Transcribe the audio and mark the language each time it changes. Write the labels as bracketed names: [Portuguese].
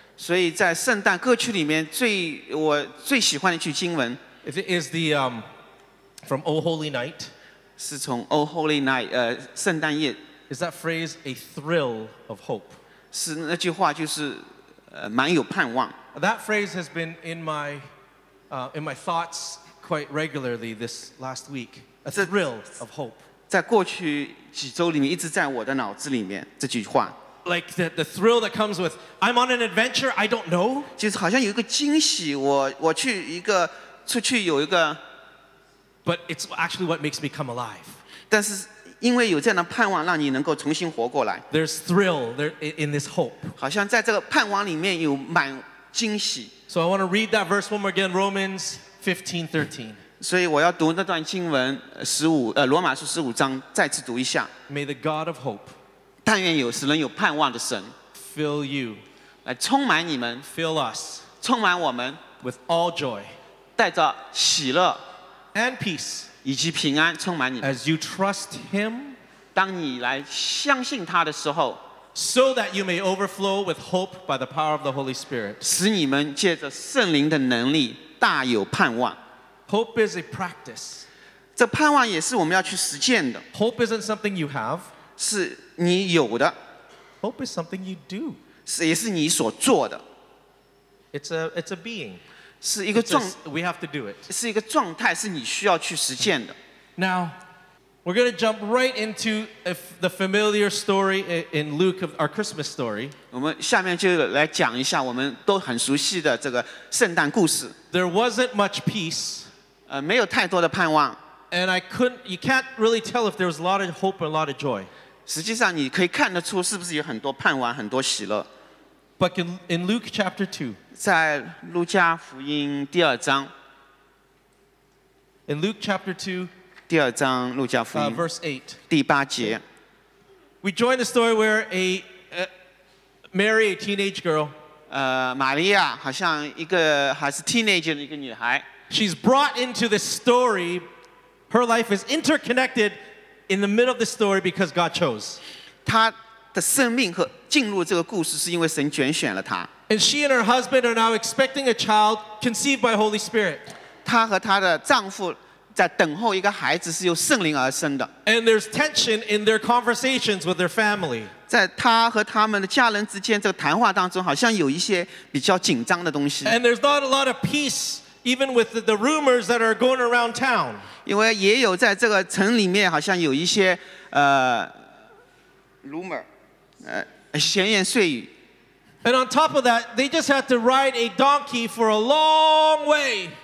[Chinese] 所以在圣诞歌曲里面我最喜欢的一句经文。 [English] It is the... From O Holy Night. [Chinese] 是从 O Holy Night, 圣诞夜。 [English] Is that phrase a thrill of hope? [Chinese] 是那句话就是蛮有盼望。 [English] That phrase has been in my thoughts quite regularly this last week. A thrill of hope. [Chinese] 在过去几周里面一直在我的脑子里面这句话。 [English] Like the thrill that comes with, I'm on an adventure, I don't know. [Chinese] 就是好像有一个惊喜，我去一个出去有一个。 [English] But it's actually what makes me come alive. [Chinese] 但是因为有这样的盼望，让你能够重新活过来。 [English] There's thrill there in this hope. [Chinese] 好像在这个盼望里面有满惊喜。 [English] So I want to read that verse one more again, Romans 15:13. [Chinese] 所以我要读那段经文罗马书十五章，再次读一下。 [English] May the God of hope, [Chinese] 但愿有使人有盼望的神 [English] fill you, [Chinese] 来充满你们 [English] fill us, [Chinese] 充满我们 [English] with all joy, [Chinese] 带着喜乐。 [English] And peace, [Chinese] 以及平安充满你。 [English] As you trust Him, [Chinese] 当你来相信他的时候 [English] ，so that you may overflow with hope by the power of the Holy Spirit, [Chinese] 使你们借着圣灵的能力大有盼望。 [English] Hope is a practice. [Chinese] 这盼望也是我们要去实践的。 [English] Hope isn't something you have. [Chinese] 是你有的。 [English] Hope is something you do. [Chinese] 也是你所做的。 [English] It's a being. [Chinese] 是一个状 [English] we have to do it. [Chinese] 是一个状态是你需要去实践的。 [English] Now, we're going to jump right into the familiar story in Luke of our Christmas story. [Chinese] 我们下面就来讲一下我们都很熟悉的这个圣诞故事。 [English] There wasn't much peace. [Chinese] 没有太多的盼望。 [English] And you can't really tell if there was a lot of hope or a lot of joy. [Chinese] 实际上你可以看得出是不是有很多盼望很多喜乐。 [English] But in Luke chapter 2, [Chinese] 在路加福音第二章 [English] In Luke chapter 2 [Chinese] 第二章路加福音 [English] verse 8 [Chinese] 第八节 [English] We join the story where Mary, a teenage girl [Chinese] 玛利亚好像一个还是 teenager 的一个女孩 [English] She's brought into this story Her life is interconnected in the middle of the story because God chose [Chinese] 她的生命和进入这个故事是因为神拣选了她 [English] And she and her husband are now expecting a child conceived by Holy Spirit. [Chinese] 她和她的丈夫在等候一个孩子是由圣灵而生的。 [English] And there's tension in their conversations with their family. [Chinese] 在他和他们的家人之间这个谈话当中，好像有一些比较紧张的东西。 [English] And there's not a lot of peace even with the rumors that are going around town. [Chinese] 因为也有在这个城里面好像有一些 [English] rumor， [Chinese] 闲言碎语。 [English] And on top of that, they just had to ride a donkey for a long way.